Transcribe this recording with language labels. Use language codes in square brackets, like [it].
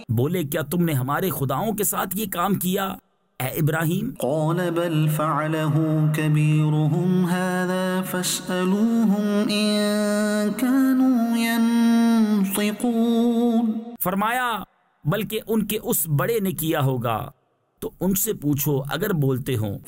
[ur] بولے کیا تم نے ہمارے خداؤں کے ساتھ یہ کام کیا اے ابراہیم [ar] قال بل فعله كبيرهم هذا فاسألوهم ان كانوا ينطقون [ur] فرمایا بلکہ ان کے اس بڑے نے کیا ہوگا تو ان سے پوچھو اگر بولتے ہوں